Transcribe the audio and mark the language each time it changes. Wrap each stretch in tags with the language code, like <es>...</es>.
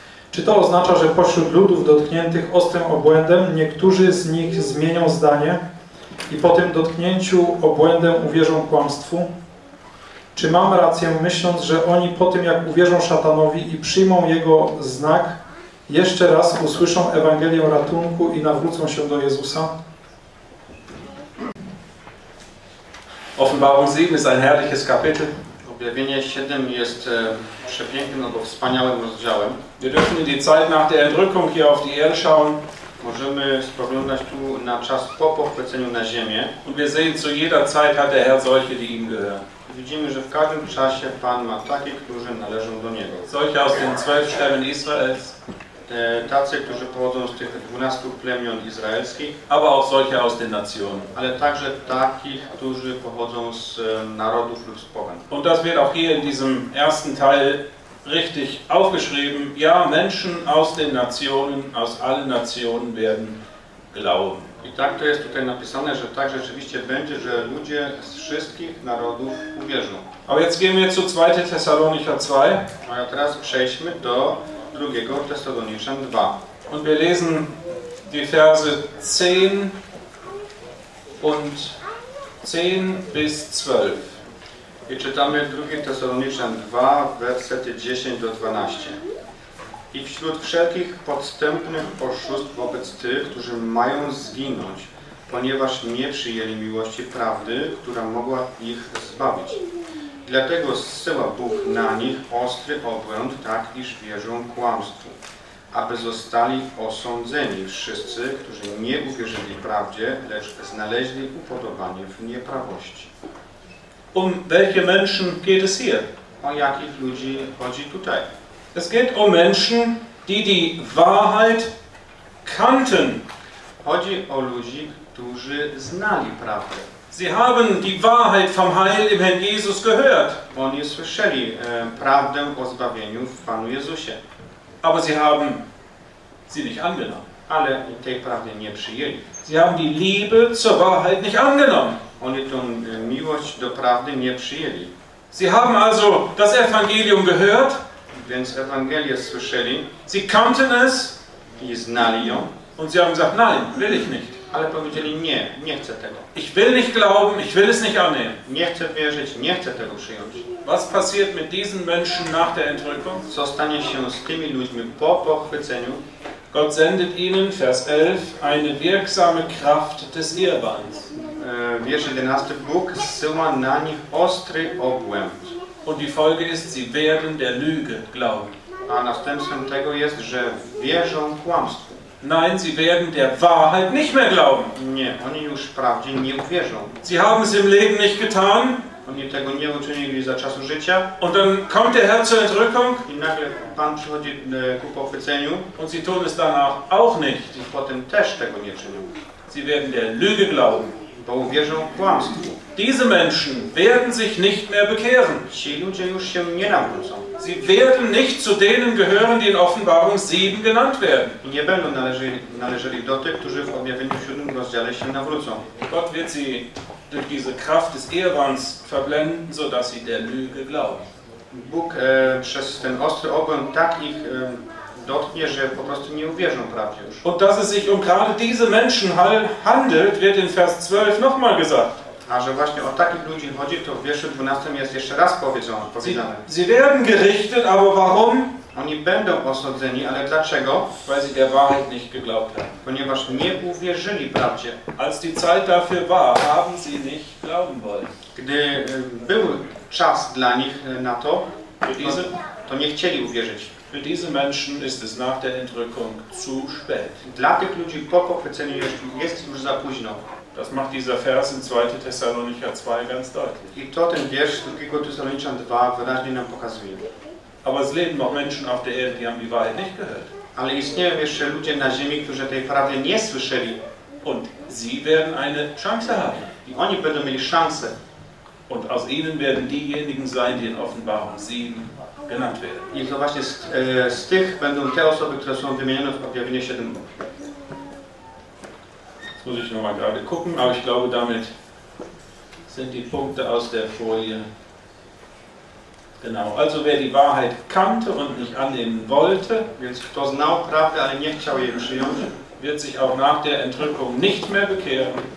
<pl>Czy to oznacza, że pośród ludów dotkniętych ostrym obłędem niektórzy z nich zmienią zdanie i po tym dotknięciu obłędem uwierzą kłamstwu? Czy mam rację, myśląc, że oni po tym, jak uwierzą szatanowi i przyjmą jego znak, jeszcze raz usłyszą Ewangelię ratunku i nawrócą się do Jezusa?</pl> <de>Offenbarung 7 ist ein herrliches Kapitel.</de> <pl>Objawienie 7 jest przepięknym albo wspaniałym rozdziałem.</pl> <de>Wir dürfen in die Zeit nach der Entrückung hier auf die Erde schauen.</de> <pl>Możemy spoglądać tu na czas po pochwyceniu na ziemię.</pl> <de>Und wir sehen, zu jeder Zeit hat der Herr solche, die ihm gehören.</de> <pl>Widzimy, że w każdym czasie Pan ma takich, którzy należą do Niego.</pl> <de>Solche aus den 12 Stämmen Israels.</de> <pl>Tacy, którzy pochodzą z tych 12 plemion izraelskich,</pl> <de>aber auch solche aus den Nationen,</de> <pl>ale także takich, którzy pochodzą z narodów lub z pogan.</pl> <de>Und das wird auch hier in diesem ersten Teil richtig aufgeschrieben. Ja, Menschen aus den Nationen, aus allen Nationen werden glauben.</de> <pl>I tak to jest tutaj napisane, że tak rzeczywiście będzie, że ludzie z wszystkich narodów uwierzą.</pl> <de>Aber jetzt gehen wir zu 2. Thessalonicher 2.</de> <pl>A teraz przejdźmy do 2. Thessalonicher 2.</pl> <de>Und wir lesen die Verse 10 und 10 bis 12.</de> <pl>I czytamy 2. Thessalonicher 2, wersety 10-12. I wśród wszelkich podstępnych oszustw wobec tych, którzy mają zginąć, ponieważ nie przyjęli miłości prawdy, która mogła ich zbawić. Dlatego zsyła Bóg na nich ostry obłęd, tak iż wierzą kłamstwu, aby zostali osądzeni wszyscy, którzy nie uwierzyli prawdzie, lecz znaleźli upodobanie w nieprawości.</pl> <de>Um welche Menschen geht es hier?</de> <pl>O jakich ludzi chodzi tutaj?</pl> <de>Es geht um Menschen, die Wahrheit kannten.</de> <pl>Chodzi o ludzi, którzy znali prawdę.</pl> <de>Sie haben die Wahrheit vom Heil im Herrn Jesus gehört.</de> <pl>Oni słyszeli prawdę o zbawieniu w Panu Jezusie.</pl> <de>Aber sie haben sie nicht angenommen.</de> <pl>Ale tej prawdy nie przyjęli.</pl> <de>Sie haben die Liebe zur Wahrheit nicht angenommen.</de> <pl>Oni tą miłość do prawdy nie przyjęli.</pl> <de>Sie haben also das Evangelium gehört.</de> <pl>Więc Ewangelię słyszeli.</pl> <de>Sie kannten es.</de> <pl>I znali ją.</pl> <de>Und sie haben gesagt, nein, will ich nicht.</de> <pl>Ale powiedzieli, nie, nie chcę tego.</pl> <de>Ich will nicht glauben, ich will es nicht annehmen.</de> <pl>Nie chcę wierzyć, nie chcę tego przyjąć.</pl> <de>Was passiert mit diesen Menschen nach der Entrückung?</de> <pl>Co stanie się z tymi ludźmi po pochwyceniu?</pl> <de>Gott sendet ihnen, Vers 11, eine wirksame Kraft des Ehebands.</de> <pl>Wiersz 11, Bóg zsyła na nich ostry obłęd.</pl> <de>Und die Folge ist, sie werden der Lüge glauben.</de> <pl>A następstwem tego jest, że wierzą kłamstwu.</pl> <de>Nein, sie werden der Wahrheit nicht mehr glauben.</de> <pl>Nie, oni już prawdzie nie uwierzą.</pl> <de>Sie haben es im Leben nicht getan.</de> <pl>Oni tego nie uczynili za czasu życia.</pl> <de>Und dann kommt der Herr zur Entrückung.</de> <pl>I nagle Pan przychodzi ku pochwyceniu.</pl> <de>Und sie tun es danach auch nicht.</de> <pl>I potem też tego nie czynią.</pl> <de>Sie werden der Lüge glauben.</de> <pl>Bo uwierzą kłamstwu.</pl> <de>Diese Menschen werden sich nicht mehr bekehren.</de> <pl>Ci ludzie już się nie nawrócą.</pl> <de>Sie werden nicht zu denen gehören, die in Offenbarung 7 genannt werden.</de> <pl>Nie będą należeli do tych, którzy w Objawieniu 7 rozdziale się nawrócą.</pl> <de>Gott wird sie durch diese Kraft des Ehebands verblenden, sodass sie der Lüge glauben.</de> <pl>Bóg przez ten ostry ogon tak ich dotknie, że po prostu nie uwierzą prawdzie już.</pl> <de>Und dass es sich um gerade diese Menschen handelt, wird in Vers 12 nochmal gesagt.</de> <pl>A że właśnie o takich ludzi chodzi, to w wierszu 12 jest jeszcze raz powiedziane.</pl> <de>Sie werden gerichtet, aber warum?</de> <pl>Oni będą osądzeni, ale dlaczego?</pl> <de>Weil sie der Wahrheit nicht geglaubt haben.</de> <pl>Ponieważ nie uwierzyli prawdzie.</pl> <de>Als die Zeit dafür war, haben sie nicht glauben wollen.</de> <pl>Gdy był czas dla nich na to, to nie chcieli uwierzyć.</pl> <de>Für diese Menschen ist es nach der Entrückung zu spät.</de> <pl>Dla tych ludzi po pochwyceniu jest już za późno.</pl> <de>Das macht dieser Vers in 2. Thessalonicher 2 ganz deutlich.</de> <pl>I to ten wiersz 2. Thessalonicher 2 wyraźnie nam pokazuje.</pl> <de>Aber es leben noch Menschen auf der Erde, die haben die Wahrheit nicht gehört.</de> <pl>Ale istnieją jeszcze ludzie na ziemi, którzy tej prawdy nie słyszeli.</pl> <de>Und sie werden eine Chance haben.</de> <pl>I oni będą mieli szansę.</pl> <de>Und aus ihnen werden diejenigen sein, die in Offenbarung 7 genannt werden.</de> <pl>I to właśnie z tych będą te osoby, które są wymienione w Objawieniu 7.</pl> <de>Muss ich noch mal gerade gucken, aber ich glaube, damit sind die Punkte aus der Folie genau. Also wer die Wahrheit kannte und nicht annehmen wollte, wird sich auch nach der Entrückung nicht mehr bekehren.</de>